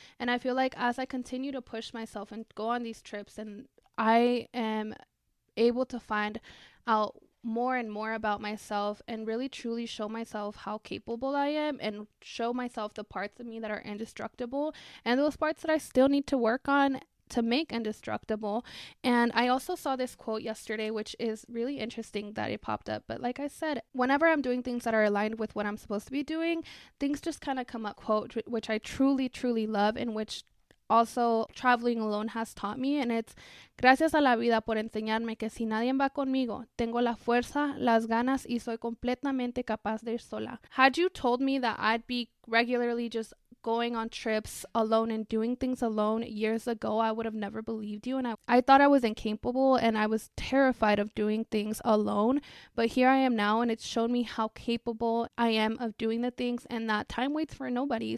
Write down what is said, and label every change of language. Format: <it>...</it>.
<en>And I feel like as I continue to push myself and go on these trips, and I am able to find out more and more about myself and really truly show myself how capable I am and show myself the parts of me that are indestructible and those parts that I still need to work on to make indestructible. And I also saw this quote yesterday, which is really interesting that it popped up. But like I said, whenever I'm doing things that are aligned with what I'm supposed to be doing, things just kind of come up, quote, which I truly, truly love, and which also traveling alone has taught me. And it's,</en> <es>gracias a la vida por enseñarme que si nadie va conmigo, tengo la fuerza, las ganas, y soy completamente capaz de ir sola.</es> <en>Had you told me that I'd be regularly just going on trips alone and doing things alone years ago, I would have never believed you. And I thought I was incapable and I was terrified of doing things alone. But here I am now, and it's shown me how capable I am of doing the things, and that time waits for nobody.</en>